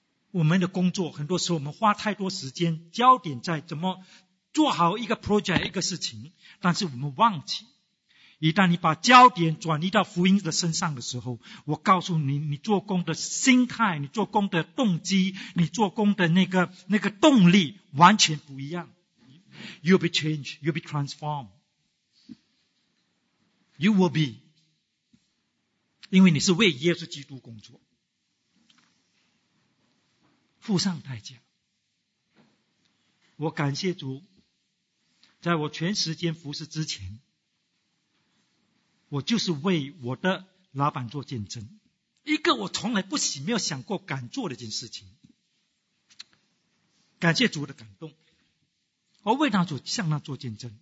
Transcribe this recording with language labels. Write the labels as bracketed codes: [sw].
[zh] 我们的工作很多时候我们花太多时间焦点在怎么做好一个 project 一个事情，但是我们忘记，一旦你把焦点转移到福音的身上的时候，我告诉你，你做工的心态，你做工的动机，你做工的那个动力完全不一样。 [en] You'll be changed, you'll be transformed, you will be, [zh] 因为你是为耶稣基督工作，付上代价。我感谢主，在我全时间服侍之前，我就是为我的老板做见证，一个我从来不想没有想过敢做的一件事情。感谢主的感动，我为他做，向他做见证。